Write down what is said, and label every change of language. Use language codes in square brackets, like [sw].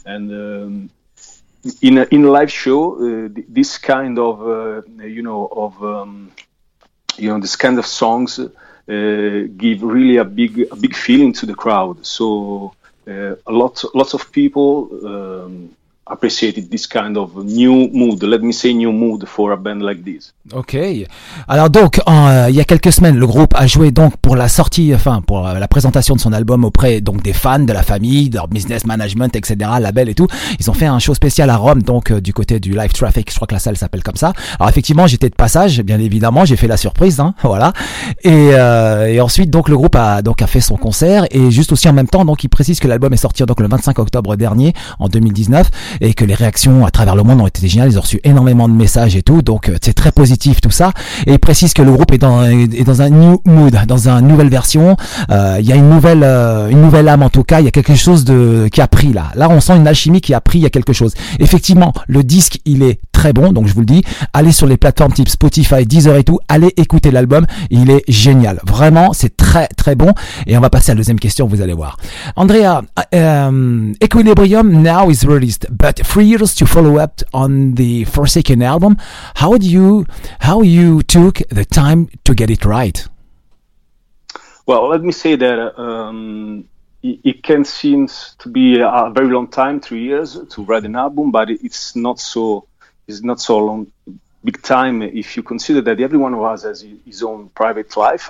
[en] And in a live show, this kind of songs give really a big feeling to the crowd. So lots of people appreciated this kind of new mood. Let me say new mood for a band like this. Okay. [fr] Alors donc, il y a quelques semaines, le groupe a joué donc pour la sortie, enfin pour la présentation de son album auprès donc des fans, de la famille, de leur business management, etc., label et tout. Ils ont fait un show spécial à Rome, donc du côté du Live Traffic. Je crois que la salle s'appelle comme ça. Alors effectivement, j'étais de passage, bien évidemment, j'ai fait la surprise, hein, voilà. Et ensuite, donc le groupe a fait son concert et juste aussi en même temps, donc ils précisent que l'album est sorti donc le 25 octobre dernier, en 2019. Et que les réactions à travers le monde ont été géniales, ils ont reçu énormément de messages et tout, donc c'est très positif tout ça. Et ils précisent que le groupe est dans un [en] new mood, [fr] dans une nouvelle version. Il y a une nouvelle âme en tout cas. Il y a quelque chose qui a pris là. Là, on sent une alchimie qui a pris. Il y a quelque chose. Effectivement, le disque il est très bon, donc je vous le dis. Allez sur les plateformes type Spotify, Deezer et tout. Allez écouter l'album. Il est génial. Vraiment, c'est très très très bon. Et on va passer à la deuxième question, vous allez voir. [en] Andrea, Equilibrium now is released, but 3 years to follow up on the Forsaken album. How you took the time to get it right? Well, let me say that it can seem to be a very long time, 3 years to write an album, but it's not so long, big time, if you consider that everyone has his own private life.